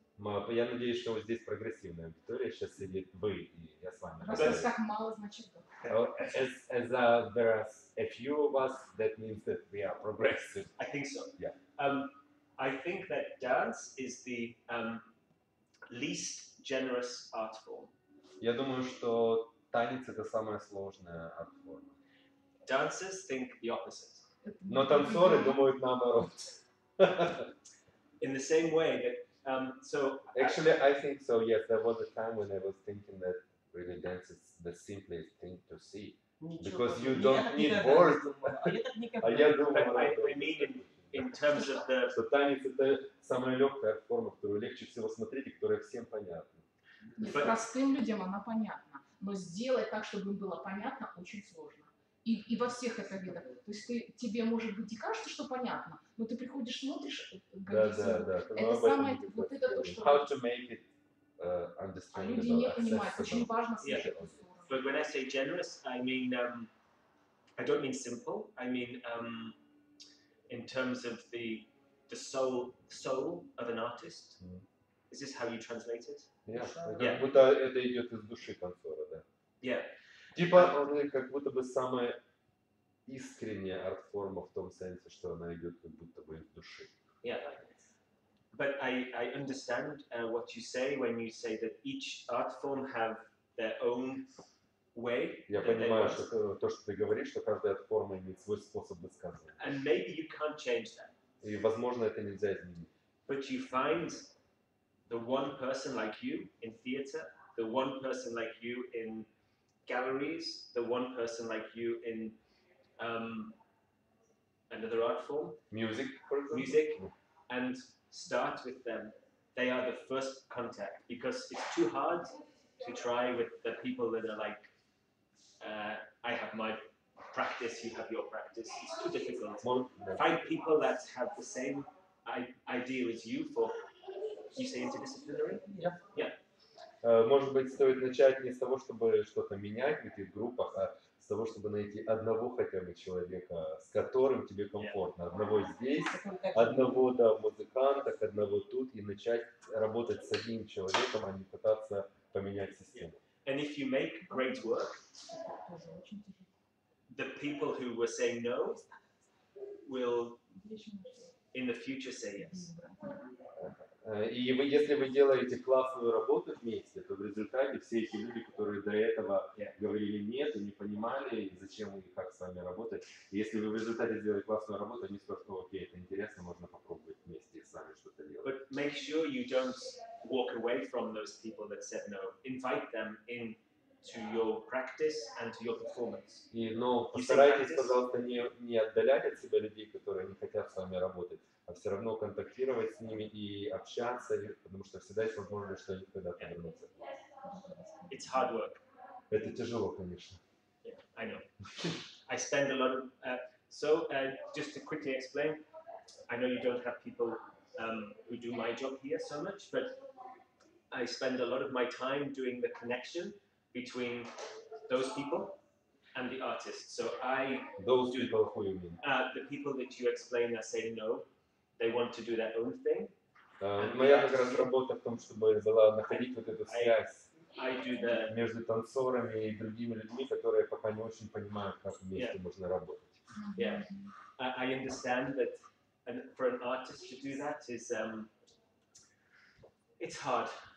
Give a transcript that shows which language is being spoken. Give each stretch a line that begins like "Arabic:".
Russian: Но я надеюсь, что вот здесь прогрессивная аудитория сейчас сидит вы и я с вами. Просто так мало значит.
English: There are a few of us, that means that we are progressive. I think so. Yeah. I think that dance is the least generous art form.
Russian: Я думаю, что танец это самая сложная
English: art form. Dancers think the opposite.
Russian: Но танцоры думают наоборот.
English: In the same way that actually, I think so. Yes, there was a time when I was thinking that really dance is the simplest thing to see, because you don't need words. I mean in terms of the.
Russian: So танец это самая легкая форма, которую легче всего смотреть и которая всем понятна. Простым людям она понятна, но сделать так, чтобы им было понятно, очень сложно. И во всех это видах. То есть тебе может быть и кажется, что понятно, но ты приходишь, смотришь,
English: how to make it understandable.
Russian: А люди не понимают. Очень важно слышать.
English: Yeah. But when I say generous, I mean I don't mean simple. I mean in terms of the soul of an artist. Mm. Is this how you translate it? Yeah.
Russian: Будто это идет из души танцора, да.
English: Yeah.
Russian: Типа он как будто бы самая искренняя арт-форма в том смысле, что она идет как будто бы из души.
English: Yeah, but I understand what you say when you say that each art form have their own way.
Russian: Я понимаю, что то, что ты говоришь, что каждая арт-форма имеет свой способ высказывания.
English: And maybe you can't change that.
Russian: И возможно, это нельзя изменить.
English: But you find the one person like you in theater, the one person like you in galleries, the one person like you in another art form, music, for example. Music, and start with them. They are the first contact because it's too hard to try with the people that are like, I have my practice, you have your practice. It's too difficult. Find people that have the same idea as you for, you say, interdisciplinary. Yeah. Yeah.
Russian: Может быть, стоит начать не с того, чтобы что-то менять в этих группах, а с того, чтобы найти одного хотя бы человека, с которым тебе комфортно. Одного здесь, одного, да, в музыкантах, одного тут, и начать работать с одним человеком, а не пытаться поменять систему.
English: And if you make great work, the people who were saying no will in the future say yes.
Russian: И вы, если вы делаете классную работу вместе, то в результате все эти люди, которые до этого говорили нет и не понимали, зачем и как с вами работать, если вы в результате сделали классную работу, они скажут, что окей, это интересно, можно попробовать вместе с вами что-то делать.
English: But make sure you don't walk away from those people that said no. Invite them in to your practice and to your performance.
Russian: И, ну, постарайтесь, пожалуйста, не отдалять от себя людей, которые не хотят с вами работать, а все равно контактировать с ними и общаться, потому что всегда есть возможность, что они когда-то вернутся.
English: It's hard work.
Russian: Это тяжело, конечно.
English: Yeah, I know. I spend a lot of... just to quickly explain, I know you don't have people who do my job here so much, but I spend a lot of my time doing the connection between those people and the artist. So I... Those people, who you mean? The people that you explain are saying no. They want to do their own thing.
Russian: Моя как раз работа в том, чтобы была находить вот эту связь между танцорами и другими людьми, которые пока не очень понимают, как вместе можно работать.
English: Yeah, I understand that, and for an artist to do that is it's hard.